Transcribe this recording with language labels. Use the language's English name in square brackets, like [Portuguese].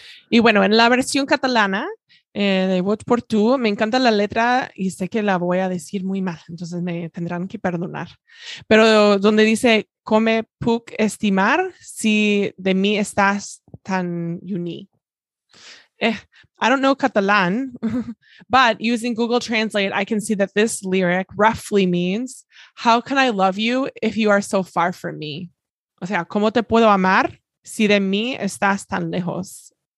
[Spanish] Y bueno, en la versión catalana de Vote por Tú, me encanta la letra y sé que la voy a decir muy mal, entonces me tendrán que perdonar. Pero donde dice, [Catalan] ¿cómo puc estimar si de mí estás tan lluny? [English] I don't know catalán, but using Google Translate, I can see that this lyric roughly means, how can I love you if you are so far from me? [Spanish] O sea, ¿cómo te puedo amar si de mí estás tan lejos?